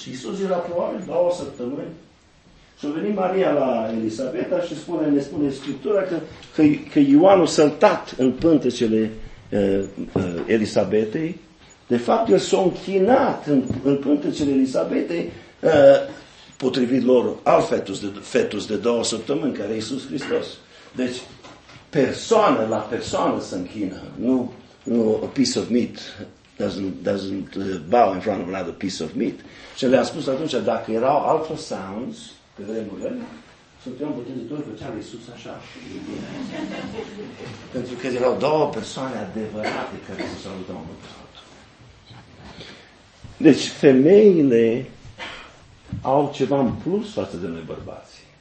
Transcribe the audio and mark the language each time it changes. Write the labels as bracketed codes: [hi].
[ro] Și Iisus era probabil la o săptămână. Și a venit Maria la Elisabeta și ne spune Scriptura că Ioan a săltat în pântecele Elisabetei. De fapt, el s-a închinat în pântecele Elisabetei potrivit lor, alt fetus de 2 săptămâni, care e Iisus Hristos. Deci, persoană la persoană se închină. Nu [en] a piece of meat doesn't bow in front of another piece of meat. [ro] Și le-am spus atunci, dacă erau ultrasounds pe vremurile, Sfântul Ioan Botezător făcea la Iisus așa. Pentru că erau 2 persoane adevărate care se salutau unul pe altul. Deci, femeile au ceva în plus față de noi bărbați.